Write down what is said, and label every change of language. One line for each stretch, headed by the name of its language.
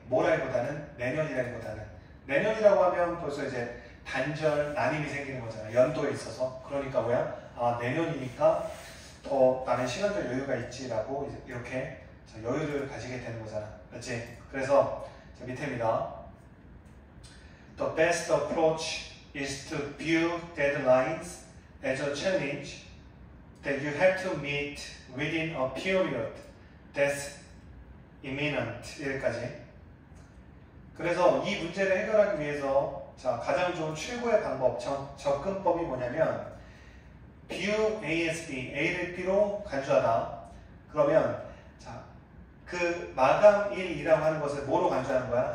Korean: 뭐라기보다는 내년이라기보다는. 내년이라고 하면 벌써 이제 단절, 난임이 생기는 거잖아. 연도에 있어서. 그러니까 뭐야? 아, 내년이니까 더 나는 시간적 여유가 있지라고 이렇게 자, 여유를 가지게 되는 거잖아. 그렇지? 그래서 자, 밑에입니다.
English: The best approach is to view deadlines as a challenge that you have to meet within a period. That's imminent.
Korean: 여기까지. 그래서 이 문제를 해결하기 위해서 자, 가장 좋은 최고의 방법, 접근법이 뭐냐면
English: view ASB,
Korean: A를 B로 간주하다. 그러면 자, 그 마감일이라고 하는 것을 뭐로 간주하는 거야?